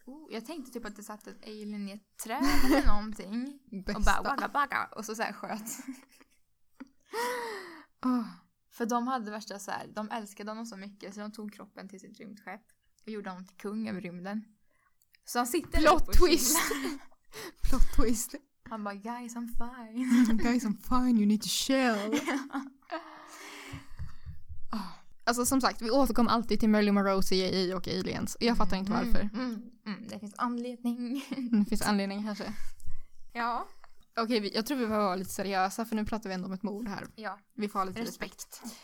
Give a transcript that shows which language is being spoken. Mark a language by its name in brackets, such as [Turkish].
[Swedish] Jag tänkte typ att det satt ett alien i ett träd eller någonting. Och bara wagga bagga. Och så såhär sköt. Oh. För de hade värsta såhär, de älskade honom så mycket så de tog kroppen till sitt rymdskepp. Och gjorde honom till kung över rymden. Så han sitter plot twist. Plot twist. Han bara, [English] guys, I'm fine. Guys, I'm fine, you need to chill. [Swedish] Alltså som sagt, vi återkommer alltid till Marilyn Monroe, CIA och aliens. Jag fattar inte varför. Det finns anledning. Det finns anledning kanske. Ja. Okej, jag tror vi behöver vara lite seriösa, för nu pratar vi ändå om ett mord här. Ja, vi får ha lite respekt.